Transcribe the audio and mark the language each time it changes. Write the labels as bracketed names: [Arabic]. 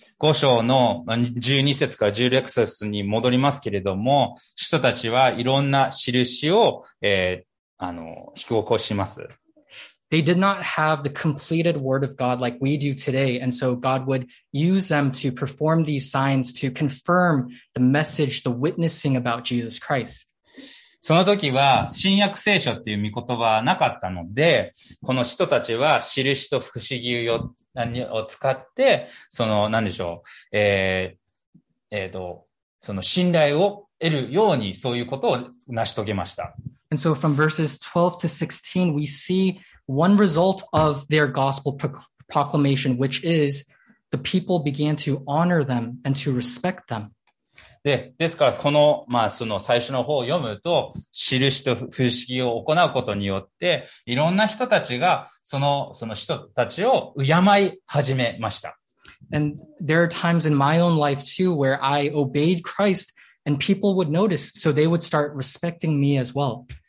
[Japanese] 5章の12節から16節に戻りますけれども、人たちはいろんな印を、引き起こします。 [English] They did not have the completed word of God like we do today, and so God would use them to perform these signs to confirm the message, the witnessing about Jesus Christ. [Japanese] その時は新約聖書っていう御言葉はなかったので、この人たちは印と不思議を使って、その何でしょう、その信頼を得るようにそういうことを成し遂げました。 [English] And so from verses 12 to 16, we see one result of their gospel proclamation, which is the people began to honor them and to respect them. [Japanese] で、ですから、この、まあ、その最初の方を読むと、印と不思議を行うことによって、いろんな人たちが、その人たちを敬い始めました。 [English] And there are times in my own life too where I obeyed Christ and people would notice, so they would start respecting me as well.